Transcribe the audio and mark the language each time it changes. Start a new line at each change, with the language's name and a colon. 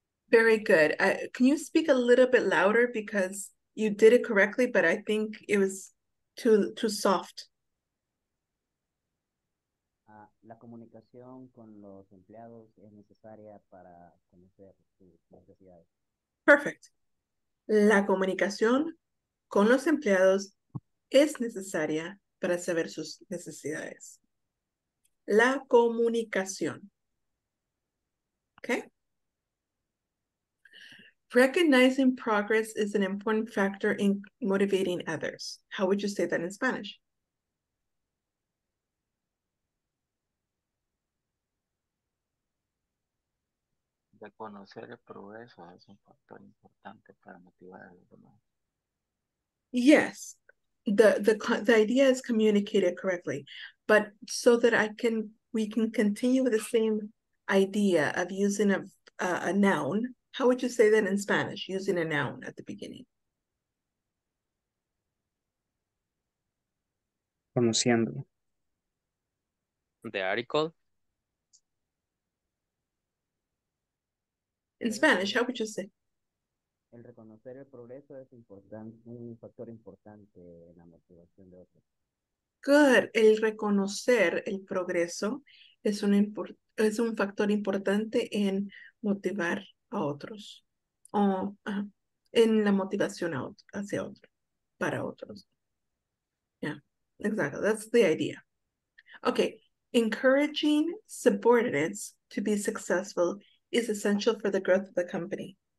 English: Very good. Can you speak a little bit louder, because you did it correctly, but I think it was too soft.
Spanish: La comunicación con los empleados es necesaria para conocer sus necesidades.
English: Perfect.
Spanish: La comunicación con los empleados es necesaria para saber sus necesidades. La comunicación. Okay.
English: Recognizing progress is an important factor in motivating others. How would you say that in Spanish?
Spanish: De conocer el progreso es un factor importante para motivar a los demás.
English: Yes. The idea is communicated correctly, but so that we can continue with the same idea of using a noun, how would you say that in Spanish, using a noun at the beginning?
Spanish: Conociendo.
English: The article. In Spanish, how would you say?
Spanish: El reconocer el progreso es un factor importante en la motivación de otros.
English: Good.
Spanish: El reconocer el progreso es un factor importante en motivar a otros, o en la motivación hacia otros, para otros.
English: Yeah, exactly. That's the idea. Okay, encouraging subordinates to be successful is essential for the growth of the company.